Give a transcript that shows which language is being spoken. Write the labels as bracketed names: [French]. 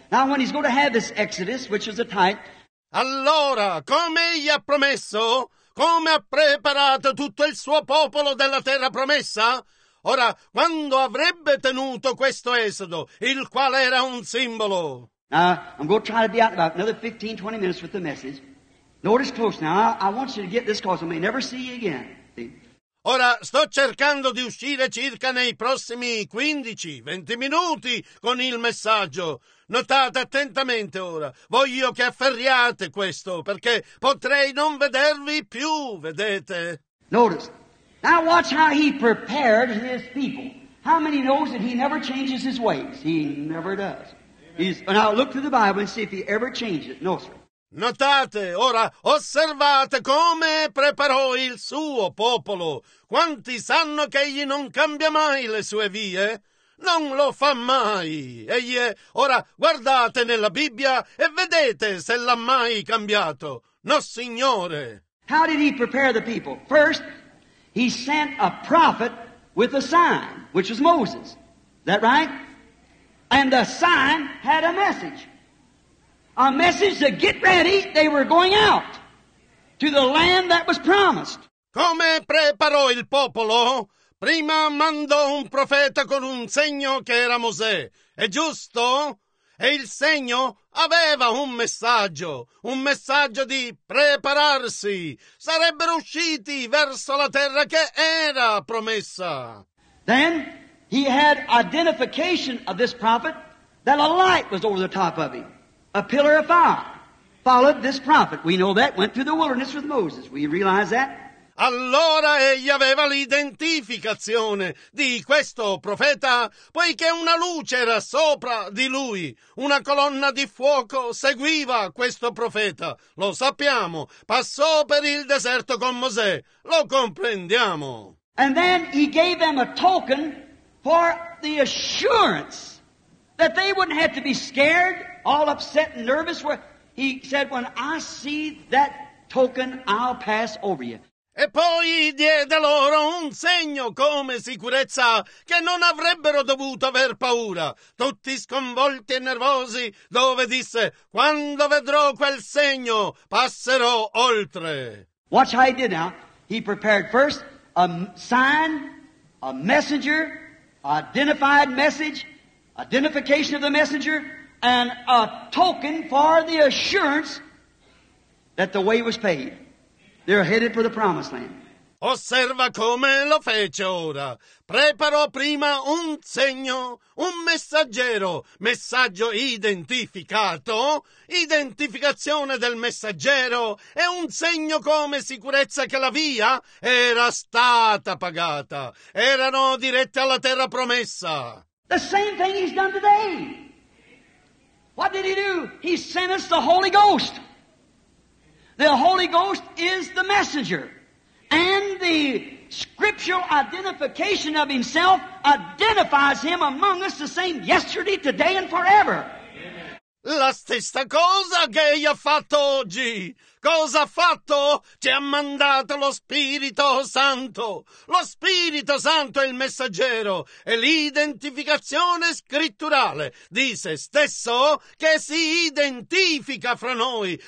[English] Now when he's going to have this Exodus, which is a type. [Italian] Allora, come egli ha promesso, come ha preparato tutto il suo popolo della terra promessa? Ora, quando avrebbe tenuto questo esodo, il quale era un simbolo? [English] Now, I'm going to try to be out about another 15, 20 minutes with the message. Notice close now, I want you to get this because I may never see you again. [Italian] Ora sto cercando di uscire circa nei prossimi 15-20 minuti con il messaggio. Notate attentamente ora. Voglio che afferriate questo perché potrei non vedervi più, vedete? [English] Notice. Now watch how he prepared his people. How many knows that he never changes his ways? He never does. He's, now look to the Bible and see if he ever changes. No, sir. [Italian] Notate, ora, osservate come preparò il suo popolo. Quanti sanno che egli non cambia mai le sue vie? Non lo fa mai. Egli è, ora, guardate nella Bibbia e vedete se l'ha mai cambiato. No, Signore. [English] How did he prepare the people? First, he sent a prophet with a sign, which was Moses. Is that right? And the sign had a message. A message to get ready, they were going out to the land that was promised. [Italian] Come preparò il popolo? Prima mandò un profeta con un segno che era Mosè. È giusto? E il segno aveva un messaggio di prepararsi. Sarebbero usciti verso la terra che era promessa. [English] Then he had identification of this prophet that a light was over the top of him. A pillar of fire followed this prophet. We know that went through the wilderness with Moses. We realize that. [Italian] Allora egli aveva l'identificazione di questo profeta, poiché una luce era sopra di lui. Una colonna di fuoco seguiva questo profeta. Lo sappiamo. Passò per il deserto con Mosè. Lo comprendiamo. [English] And then he gave them a token for the assurance that they wouldn't have to be scared. All upset and nervous, where he said, "When I see that token, I'll pass over you." [Italian] E poi diede loro un segno come sicurezza che non avrebbero dovuto aver paura. Tutti sconvolti e nervosi, dove disse, "Quando vedrò quel segno, passerò oltre." [English] Watch how he did now. He prepared first a sign, a messenger, identified message, identification of the messenger. And a token for the assurance that the way was paved. They're headed for the promised land. [Italian] Osserva come lo fece ora. Preparò prima un segno, un messaggero, messaggio identificato, identificazione del messaggero e un segno come sicurezza che la via era stata pagata. Erano diretti alla terra promessa. [English] The same thing he's done today. What did he do? He sent us the Holy Ghost. The Holy Ghost is the messenger. And the scriptural identification of himself identifies him among us the same yesterday, today, and forever. [Italian] La stessa cosa che egli ha fatto oggi. Cosa ha fatto? Ci ha mandato lo Spirito Santo. Lo Spirito Santo è il messaggero e l'identificazione scritturale di se stesso che si identifica fra noi.